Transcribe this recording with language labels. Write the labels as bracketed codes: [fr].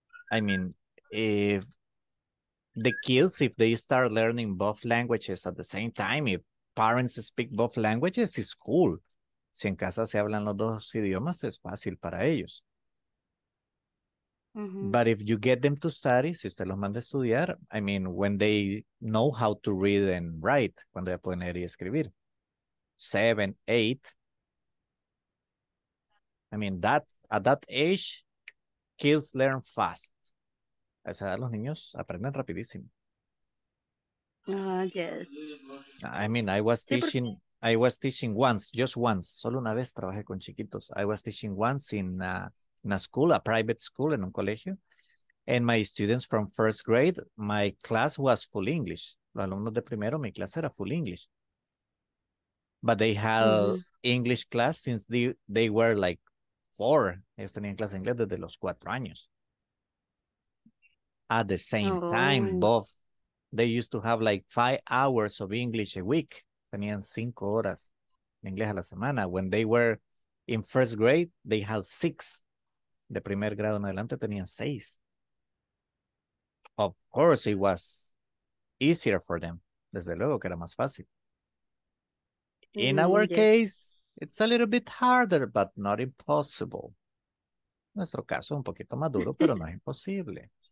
[en] I mean, if the kids, if they start learning both languages at the same time, if parents speak both languages, it's cool. [es] Si en casa se hablan los dos idiomas, es fácil para ellos. Mm-hmm. [en] But if you get them to study, [es] si usted los manda a estudiar, [en] I mean, when they know how to read and write, [es] cuando ya pueden leer y escribir, [en] 7, 8, I mean, at that age, kids learn fast. [es] A esa edad los niños aprenden rapidísimo. [en] Yes. I mean, I was teaching once, [es] solo una vez trabajé con chiquitos. [en] I was teaching once in a school, a private school, [es] en un colegio. [en] And my students from first grade, my class was full English. [es] Los alumnos de primero, mi clase era [en] full English. But they had English class since they were like 4. [es] Ellos tenían clase de inglés desde los 4 años. [en] At the same time, both. They used to have like 5 hours of English a week. [es] Tenían 5 horas de inglés a la semana. [en] When they were in first grade, they had 6. [es] De primer grado en adelante, tenían 6. [en] Of course, it was easier for them. [es] Desde luego que era más fácil. [en] In our case, it's a little bit harder, but not impossible. [es] Nuestro caso es un poquito más duro, pero no es imposible.